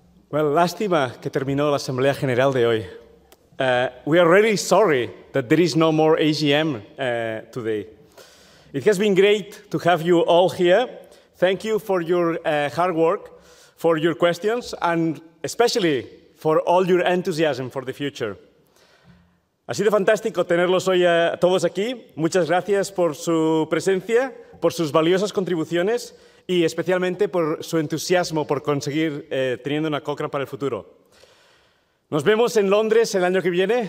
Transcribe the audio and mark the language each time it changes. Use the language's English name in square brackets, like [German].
[Spanish] Well, lástima que terminó la Asamblea General de hoy. [English] We are really sorry that there is no more AGM today. It has been great to have you all here. Thank you for your hard work, for your questions, and especially for all your enthusiasm for the future. [Spanish] Ha sido fantástico tenerlos hoy a todos aquí. Muchas gracias por su presencia, por sus valiosas contribuciones, y especialmente por su entusiasmo por conseguir teniendo una Cochrane para el futuro. Nos vemos en Londres el año que viene.